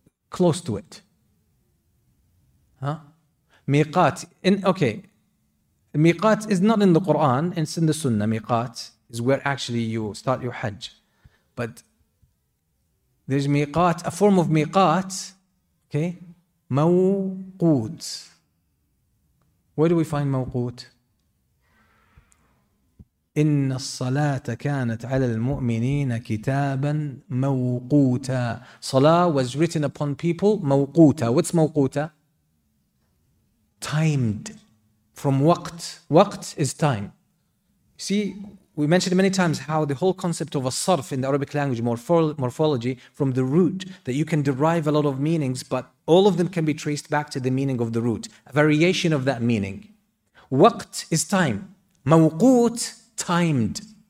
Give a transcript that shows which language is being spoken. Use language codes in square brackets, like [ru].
[en] close to it huh miqat in okay miqat is not in the Quran it's in the sunnah miqat is where actually you start your hajj but there's miqat a form of miqat okay mawqut Where do we find موقوت? [ar] إن الصلاة كانت على المؤمنين كتابا موقوتا. [en] صلاة was written upon people موقوتا. What's موقوتا? Timed. From وقت. وقت is time. See, we mentioned many times how the whole concept of a صرف in the Arabic language morphology from the root that you can derive a lot of meanings but all of them can be traced back to the meaning of the root a variation of that meaning waqt is time mawqut timed